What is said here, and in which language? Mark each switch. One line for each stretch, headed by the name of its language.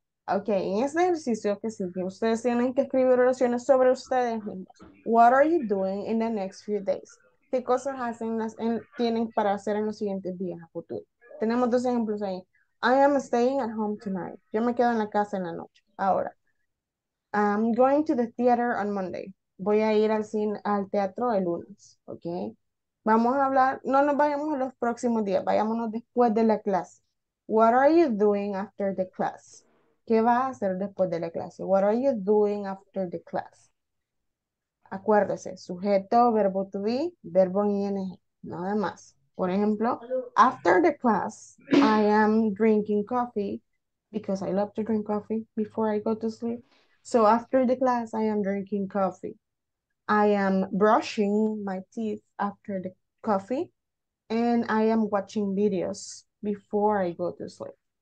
Spanish: Okay, en este ejercicio que sigue, ustedes tienen que escribir oraciones sobre ustedes mismos.
English: What are you doing in the next few days?
Spanish: ¿Qué cosas hacen tienen para hacer en los siguientes días a futuro? Tenemos dos ejemplos ahí.
English: I am staying at home tonight.
Spanish: Yo me quedo en la casa en la noche. Ahora.
English: I'm going to the theater on Monday.
Spanish: Voy a ir al teatro el lunes. Okay. Vamos a hablar, no nos vayamos a los próximos días, vayámonos después de la clase.
English: What are you doing after the class?
Spanish: ¿Qué vas a hacer después de la clase?
English: What are you doing after the class?
Spanish: Acuérdese, sujeto, verbo to be, verbo en ing, nada más. Por ejemplo,
English: after the class, I am drinking coffee, because I love to drink coffee before I go to sleep. So after the class, I am drinking coffee. I am brushing my teeth after the coffee and I am watching videos before I go to sleep.